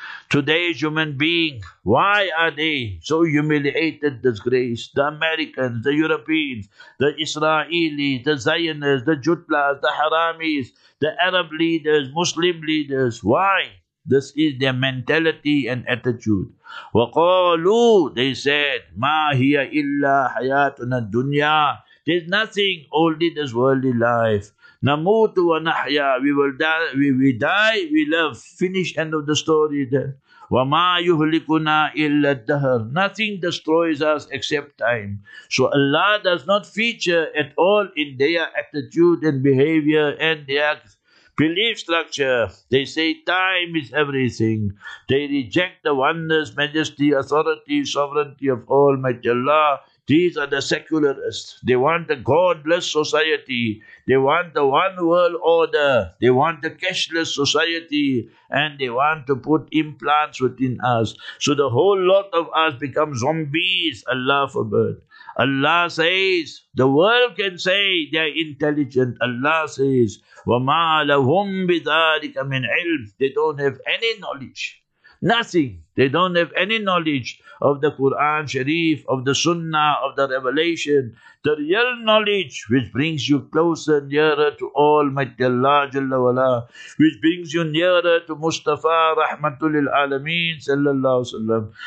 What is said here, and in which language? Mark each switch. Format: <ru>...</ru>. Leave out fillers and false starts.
<en>Today's human being, why are they so humiliated, disgraced? The Americans, the Europeans, the Israelis, the Zionists, the Jutlas, the Haramis, the Arab leaders, Muslim leaders, why? This is their mentality and attitude.</en> <ar>وَقَالُوا,</ar> <en>they said,</en> <ar>مَا هِيَ إِلَّا حَيَاتُنَا الدُّنْيَا.</ar> <en>There's nothing, only this worldly life.</en> <ar>نَمُوتُ وَنَحْيَا.</ar> <en>We will die, we live. Finish, end of the story then.</en> <ar>وَمَا يُهْلِكُنَا إِلَّا الدَّهَرُ.</ar> <en>Nothing destroys us except time. So Allah does not feature at all in their attitude and behavior and their belief structure. They say time is everything. They reject the oneness, majesty, authority, sovereignty of Almighty Allah. These are the secularists. They want a godless society. They want the one world order. They want a cashless society. And they want to put implants within us. So the whole lot of us become zombies. Allah forbid. Allah says, the world can say they are intelligent. Allah says,</en> <ar>وَمَا لَهُمْ بِذَٰلِكَ مِنْ عِلْمٍ.</ar> <en>They don't have any knowledge. Nothing. They don't have any knowledge of the Quran Sharif, of the Sunnah, of the Revelation. The real knowledge which brings you closer and nearer to Almighty Allah Jalla Wala, which brings you nearer to Mustafa Rahmatulil Alameen Sallallahu Alaihi Wasallam.</en>